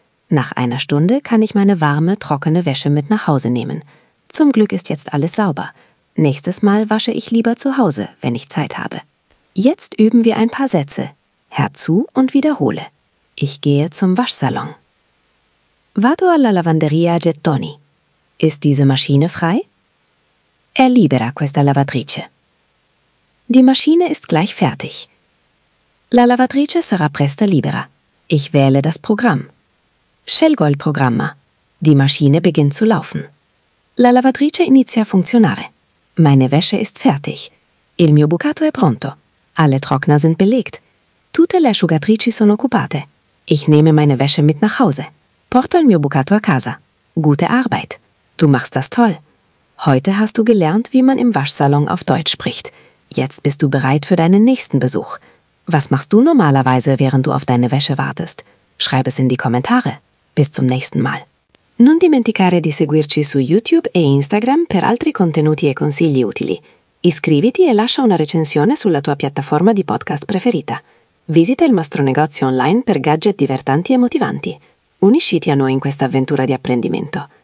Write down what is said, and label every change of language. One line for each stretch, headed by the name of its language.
German: Nach einer Stunde kann ich meine warme, trockene Wäsche mit nach Hause nehmen. Zum Glück ist jetzt alles sauber. Nächstes Mal wasche ich lieber zu Hause, wenn ich Zeit habe. Jetzt üben wir ein paar Sätze. Hör zu und wiederhole. Ich gehe zum Waschsalon.
Italian: Vado alla lavanderia a gettoni.
German: Ist diese Maschine frei?
Italian: È libera questa lavatrice.
German: Die Maschine ist gleich fertig.
Italian: La lavatrice sarà presto libera.
German: Ich wähle das Programm.
Italian: Scelgo il programma.
German: Die Maschine beginnt zu laufen.
Italian: La lavatrice inizia a funzionare.
German: Meine Wäsche ist fertig.
Italian: Il mio bucato è pronto.
German: Alle Trockner sind belegt.
Italian: Tutte le asciugatrici sono occupate.
German: Ich nehme meine Wäsche mit nach Hause.
Italian: Porto il mio bucato a casa.
German: Gute Arbeit. Du machst das toll. Heute hast du gelernt, wie man im Waschsalon auf Deutsch spricht. Jetzt bist du bereit für deinen nächsten Besuch. Was machst du normalerweise, während du auf deine Wäsche wartest? Schreib es in die Kommentare. Bis zum nächsten Mal.
Italian: Non dimenticare di seguirci su YouTube e Instagram per altri contenuti e consigli utili. Iscriviti e lascia una recensione sulla tua piattaforma di podcast preferita. Visita il nostro negozio online per gadget divertenti e motivanti. Unisciti a noi in questa avventura di apprendimento.